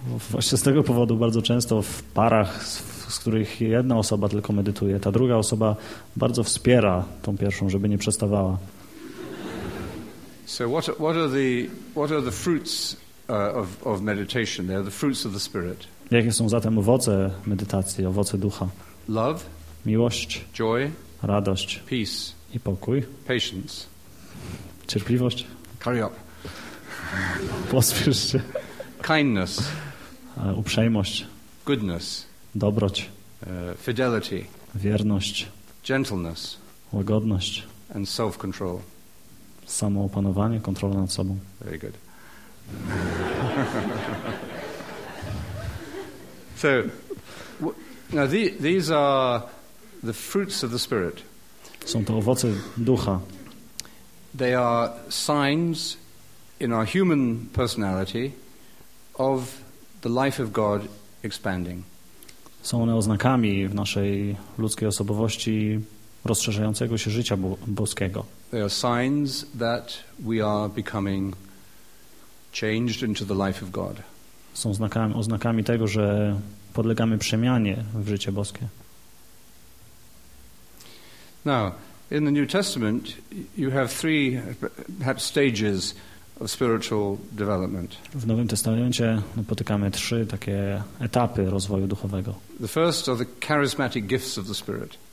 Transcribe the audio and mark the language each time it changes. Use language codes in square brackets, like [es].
[pl] Właśnie z tego powodu bardzo często w parach, z których jedna osoba tylko medytuje, ta druga osoba bardzo wspiera tą pierwszą, żeby nie przestawała. [en] So what are the fruits of meditation? They're the fruits of the spirit. [pl] Jakie są zatem owoce medytacji, owoce ducha? [en] Love, [pl] miłość, [en] joy, [pl] radość, [en] peace [pl] i pokój, [en] patience, [pl] cierpliwość. [en] Hurry up. [pl] Pospiesz się. [en] Kindness, [pl] uprzejmość, [en] goodness, [pl] dobroć, [en] fidelity, [pl] wierność, [en] gentleness, [pl] łagodność, [en] and self-control. [pl] Samoopanowanie, kontrola nad sobą. [en] Very good. So, now these are the fruits of the spirit. [pl] Są to owoce ducha. [en] They are signs in our human personality of the life of God expanding. [pl] Są one oznakami w naszej ludzkiej osobowości rozszerzającego się życia boskiego. [en] They are signs that we are becoming changed into the life of God. [pl] Są oznakami tego, że podlegamy przemianie w życie boskie. [en] Now, in the New Testament, you have three perhaps stages of spiritual development. [pl] W Nowym Testamencie napotykamy trzy takie etapy rozwoju duchowego. [en] The first are the charismatic gifts of the Spirit.